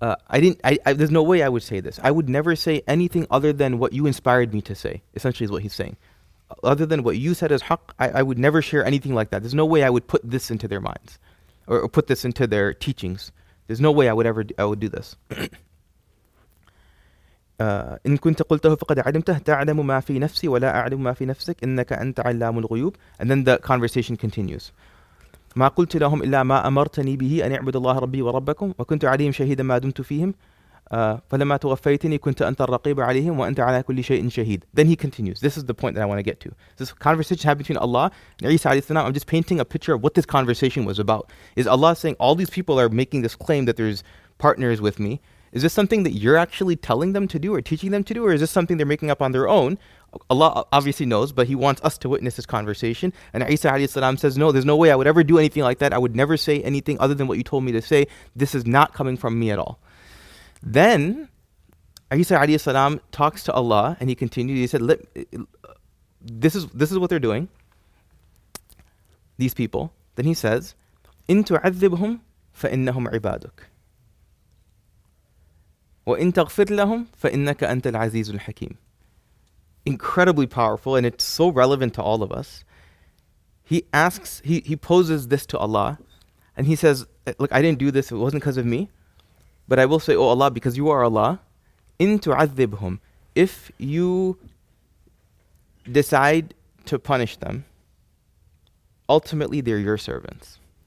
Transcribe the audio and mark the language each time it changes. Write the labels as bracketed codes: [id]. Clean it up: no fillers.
[en] There's no way I would say this. I would never say anything other than what you inspired me to say, essentially is what he's saying. Other than what you said as haqq, I would never share anything like that. There's no way I would put this into their minds or put this into their teachings. There's no way I would do this. [ar] إن كنت قلته فقد علمته تعلم ما في نفسي ولا أعلم ما في نفسك إنك أنت علام الغيوب. [en] And then the conversation continues. [ar] ما قلت لهم إلا ما أمرتني به أن أعبد الله ربي وربكم وكنت عليهم شهيدا ما دمت فيهم فلما توفيتني كنت أنت الرقيب عليهم وأنت على كل شيء شهيد. [en] Then he continues. This is the point that I want to get to. This conversation happened between Allah and Isa alayhi salam. I'm just painting a picture of what this conversation was about. Is Allah saying, all these people are making this claim that there's partners with me. Is this something that you're actually telling them to do or teaching them to do? Or is this something they're making up on their own? Allah obviously knows, but he wants us to witness this conversation. And Isa alayhi salam says, no, there's no way I would ever do anything like that. I would never say anything other than what you told me to say. This is not coming from me at all. Then Isa alayhi salam talks to Allah and he continued. He said, this is what they're doing, these people. Then he says, [ar] إِن تُعَذِّبْهُمْ فَإِنَّهُمْ عِبَادُكَ وَإِن تَغْفِرْ لَهُمْ فَإِنَّكَ أَنْتَ الْعَزِيزُ الْحَكِيمُ. [en] Incredibly powerful, and it's so relevant to all of us. He asks, he poses this to Allah, and he says, look, I didn't do this, it wasn't because of me, but I will say, oh Allah, because you are Allah, [ar] إِن تُعَذِّبْهُمْ, [en] if you decide to punish them, ultimately they're your servants.